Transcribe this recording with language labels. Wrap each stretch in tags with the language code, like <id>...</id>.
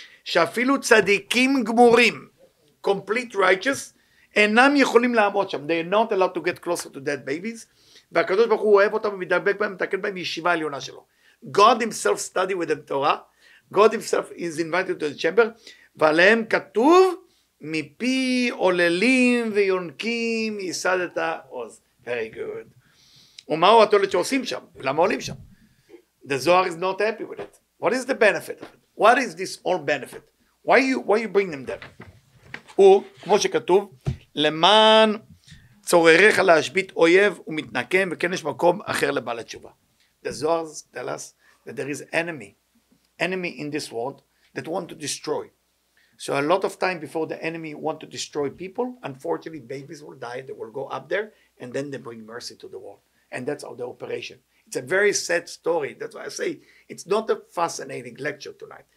<he>שאפילו צדיקים גמורים,</he> <en>complete righteous,</en> <he>אינם יכולים לעמוד שם.</he> <en>They are not allowed to get closer to dead babies.</en> <he>והקדוש ברוך הוא אוהב אותם ומדבק בהם, מתקן בהם ישיבה העליונה שלו.</he> <en>God himself study with them Torah. God himself is invited to the chamber.</en> <he>ועליהם כתוב, מפי עוללים ויונקים יסד את העוז.</he> <en>Very good.</en> <he>ומהו התועלת שעושים שם? למה עולים שם?</he> <en>The Zohar is not happy with it. What is the benefit of it? What is this all benefit? Why you bring them there?</en> <he>הוא, כמו שכתוב, למען צורריך להשבית אויב ומתנקם, וכן יש מקום אחר לבעל התשובה.</he> <en>The Zohar tells us that there is enemy in this world that want to destroy. So a lot of time before the enemy want to destroy people, unfortunately babies will die, they will go up there, and then they bring mercy to the world. And that's all the operation. It's a very sad story. That's why I say it's not a fascinating lecture tonight.</en>